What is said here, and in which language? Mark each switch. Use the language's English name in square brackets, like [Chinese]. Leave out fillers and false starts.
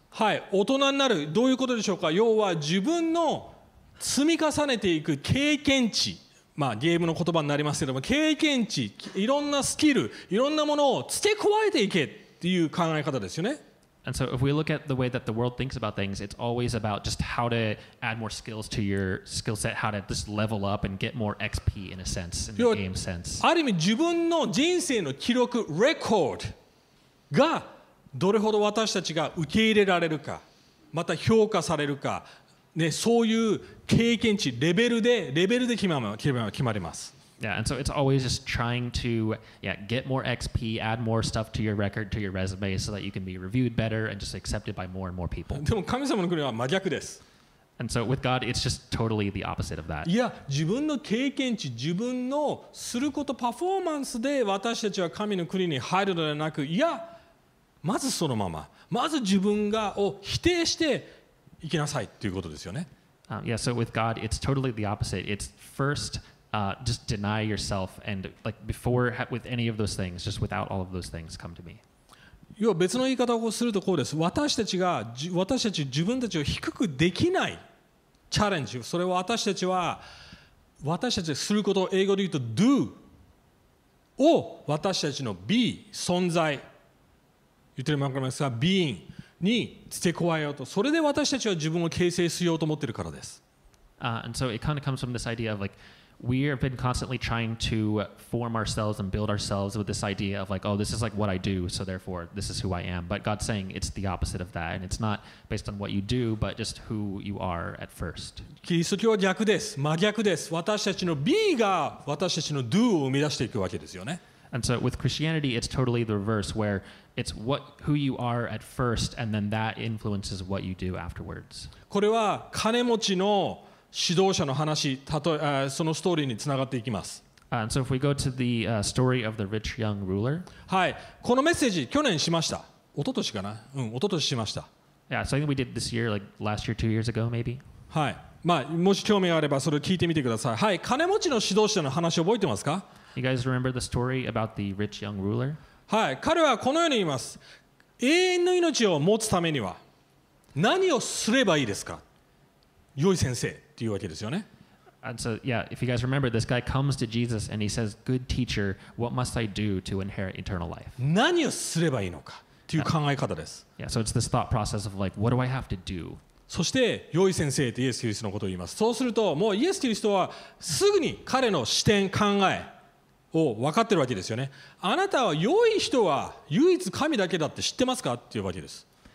[Japanese] はい、大人になる。どういうことでしょうか。要は自分の積み重ねていく経験値、まあ、ゲームの言葉になりますけども、経験値、いろんなスキル、いろんなものを付け加えていけっていう考え方ですよね。 [English] And so if we look at the way that the world thinks about things, it's always about just how to add more skills to your skill set, how to just level up and get more XP in a sense, in the game sense. [Japanese] ある意味自分の人生の記録、レコードがどれほど私たちが受け入れられるか、また評価されるか、ね、そういう経験値レベルで決まります。 [English] Yeah, and so it's always just trying to yeah, get more XP, add more stuff to your record, to your resume, so that you can be reviewed better and just accepted by more and more people. [Japanese] でも神様の国は真逆です。 [English] And so with God, it's just totally the opposite of that. [Japanese] いや、自分の経験値、自分のすること、パフォーマンスで私たちは神の国に入るのではなく、いや、まずそのまま、まず自分がを否定して行きなさいということですよね。 [English] Yeah, so with God, it's totally the opposite. It's first, just deny yourself and like before with any of those things, just without all of those things, come to me. [Japanese] 要は別の言い方をするとこうです。私たち自分たちを低くできないチャレンジ。それを私たちがすることを英語で言うと do を私たちの be 存在言ってるのかもですが being。に付け加えようと、それで私たちは自分を形成しようと思っているからです。 [English] And so it kind of comes from this idea of like we have been constantly trying to form ourselves and build ourselves with this idea of like oh this is like what I do so therefore this is who I am. But God's saying it's the opposite of that and it's not based on what you do but just who you are at first. [Japanese] キリスト教は逆です、真逆です。私たちの be が私たちの do を生み出していくわけですよね。 [English] And so with Christianity it's totally the reverse where it's what who you are at first and then that influences what you do afterwards. [Japanese] これは金持ちの指導者の話、そのストーリーにつながっていきます。 [English] And so if we go to the story of the rich young ruler. [Japanese] はい、このメッセージ去年しました。一昨年かな？うん、一昨年しました。 [English] Yeah, so I think we did this year like last year 2 years ago maybe. [Japanese] はい、まあ、もし興味があればそれを聞いてみてください。はい、金持ちの指導者の話覚えてますか？ [English] You guys remember the story about the rich young ruler? [Japanese] はい、彼はこのように言います。永遠の命を持つためには何をすればいいですか？良い先生っていうわけですよね。 [English] And so, yeah, if you guys remember, this guy comes to Jesus and he says, good teacher, what must I do to inherit eternal life? [Japanese] 何をすればいいのかという考え方です。 [English] Yeah, so it's this thought process of like, what do I have to do? [Japanese] そして、良い先生とイエス・キリストのことを言います。そうすると、もうイエス・キリストはすぐに彼の視点、考えを分かってるわけですよね。あなたは良い人は唯一神だけだって知ってますかっていうわけです。